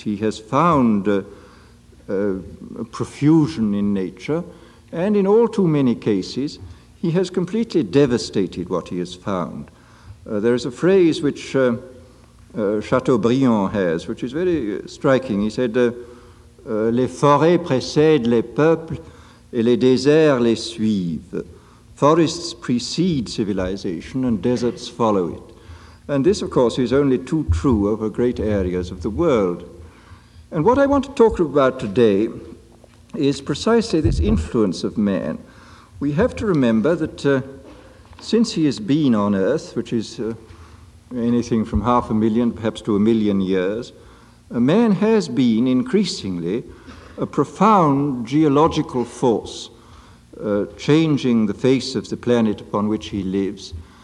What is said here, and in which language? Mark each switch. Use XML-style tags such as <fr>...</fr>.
<en>He has found a profusion in nature, and in all too many cases, he has completely devastated what he has found. There is a phrase which Chateaubriand has, which is very striking. He said,</en> <fr>les forêts précèdent les peuples et les déserts les suivent.</fr> <en>Forests precede civilization and deserts follow it. And this, of course, is only too true over great areas of the world. And what I want to talk about today is precisely this influence of man. We have to remember that since he has been on Earth, which is anything from 500,000 perhaps to 1,000,000 years, a man has been increasingly a profound geological force, changing the face of the planet upon which he lives,</en>